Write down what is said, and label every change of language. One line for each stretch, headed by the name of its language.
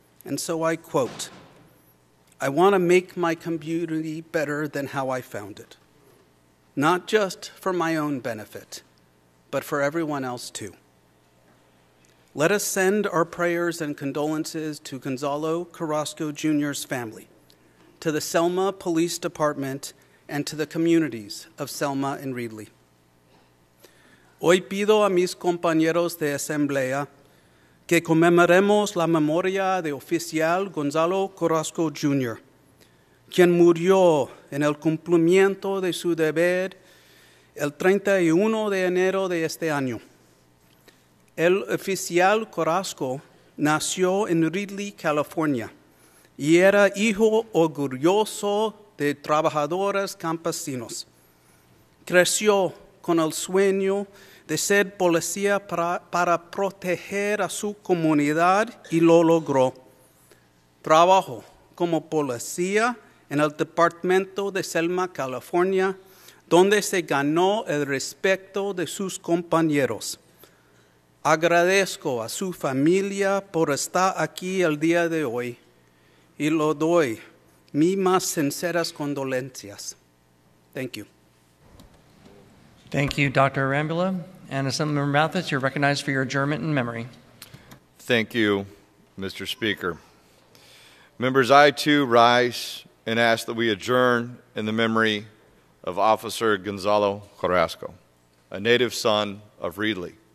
English: And so I quote, "I want to make my community better than how I found it, not just for my own benefit, but for everyone else too." Let us send our prayers and condolences to Gonzalo Carrasco Jr.'s family, to the Selma Police Department, and to the communities of Selma and Reedley.
Spanish: Hoy pido a mis compañeros de Asamblea que conmemoremos la memoria de oficial Gonzalo Carrasco Jr., quien murió en el cumplimiento de su deber el 31 de enero de este año. El oficial Carrasco nació en Reedley, California, y era hijo orgulloso de trabajadores campesinos. Creció con el sueño de ser policía para proteger a su comunidad y lo logró. Trabajó como policía en el departamento de Selma, California, donde se ganó el respeto de sus compañeros. Agradezco a su familia por estar aquí el día de hoy y le doy mis más sinceras condolencias.
English: Thank you. Thank you, Dr. Arambula. And Assemblymember Mathis, you're recognized for your adjournment in memory. Thank you, Mr. Speaker. Members, I too rise and ask that we adjourn in the memory of Officer Gonzalo Carrasco, a native son of Reedley.